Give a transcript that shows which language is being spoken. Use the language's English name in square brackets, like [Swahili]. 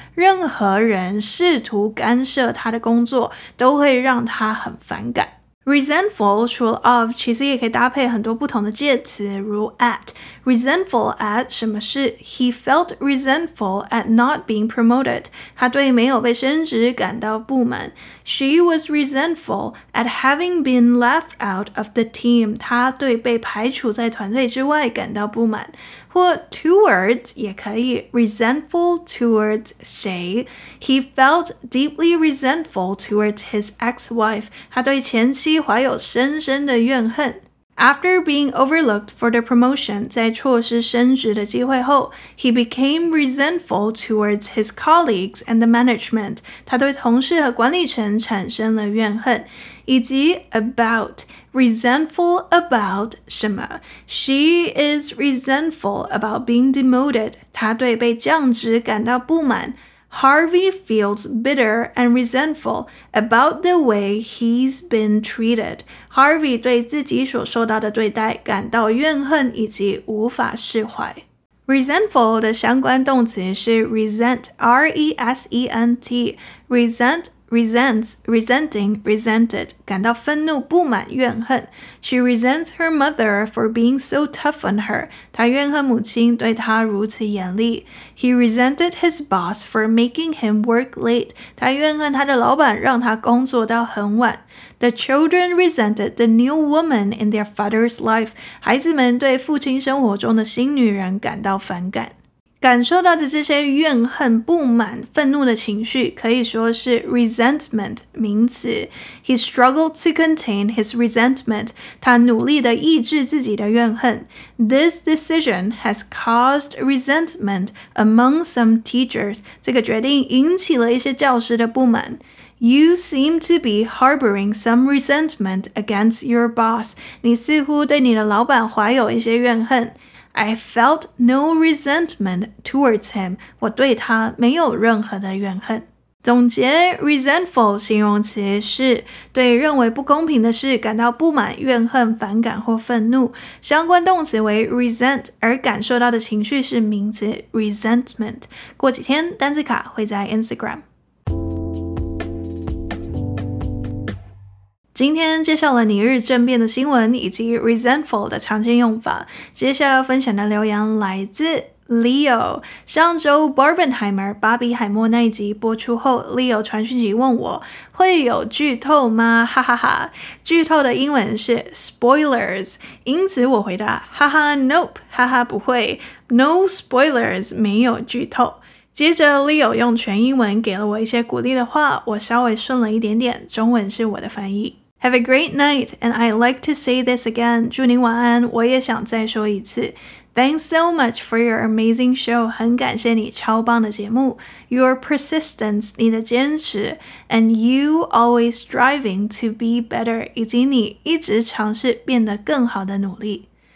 [Chinese] 任何人试图干涉她的工作都会让她很反感。 Resentful 除了 of 其实也可以搭配很多不同的介词，如 at。 [English] Resentful at [Chinese] 什么事？ [English] He felt resentful at not being promoted. [Chinese] 他对没有被升职感到不满。 [English] She was resentful at having been left out of the team. [Chinese] 他对被排除在团队之外感到不满。或 towards 也可以， resentful towards 谁？ [English] He felt deeply resentful towards his ex-wife. [Chinese] 他对前妻怀有深深的怨恨。 [English] After being overlooked for the promotion, [Chinese] 在错失升职的机会后， [English] he became resentful towards his colleagues and the management. [Chinese] 他对同事和管理层产生了怨恨。以及 about, resentful about 什么。 [English] She is resentful about being demoted. [Chinese] 她对被降职感到不满。 [English] Harvey feels bitter and resentful about the way he's been treated. [Chinese] Harvey 对自己所受到的对待感到怨恨以及无法释怀。 Resentful 的相关动词是 resent, R-E-S-E-N-T, resent,resents, resenting, resented, 感到愤怒、不满、怨恨。 [English] She resents her mother for being so tough on her. [Chinese] 她怨恨母亲对她如此严厉。 [English] He resented his boss for making him work late. [Chinese] 她怨恨她的老板让她工作到很晚。 [English] The children resented the new woman in their father's life. [Chinese] 孩子们对父亲生活中的新女人感到反感。感受到的这些怨恨、不满、愤怒的情绪可以说是 resentment 名词。 [English] He struggled to contain his resentment. [Chinese] 他努力地抑制自己的怨恨。 [English] This decision has caused resentment among some teachers. [Chinese] 这个决定引起了一些教师的不满。 [English] You seem to be harboring some resentment against your boss. [Chinese] 你似乎对你的老板怀有一些怨恨。 [English] I felt no resentment towards him. [Chinese] 我对他没有任何的怨恨。总结 resentful 形容词是对认为不公平的事感到不满、怨恨、反感或愤怒。相关动词为 resent， 而感受到的情绪是名词 resentment。过几天，单字卡会在 Instagram。今天介绍了尼日政变的新闻以及 resentful 的常见用法。接下来要分享的留言来自 Leo。上周 Barbenheimer 巴比海默那一集播出后， Leo 传讯息问我会有剧透吗，哈哈哈。剧透的英文是 spoilers， 因此我回答哈哈 nope， 哈哈不会， no spoilers， 没有剧透。接着 Leo 用全英文给了我一些鼓励的话，我稍微顺了一点点，中文是我的翻译。 [English] Have a great night, and I'd like to say this again. [Chinese] 祝您晚安，我也想再说一次。 [English] Thanks so much for your amazing show. [Chinese] 很感谢你超棒的节目。 [English] Your persistence, [Chinese] 你的坚持。 [English] And you always striving to be better. [Chinese] 以及你一直尝试变得更好的努力。